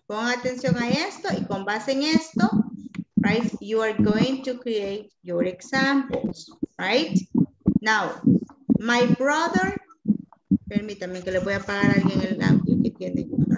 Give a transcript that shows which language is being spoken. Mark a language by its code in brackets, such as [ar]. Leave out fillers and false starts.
[es] Pon atención a esto y con base en esto, right? [en] You are going to create your examples, right? Now, my brother, [es] permítame que le voy a apagar a alguien el lampo que tiene.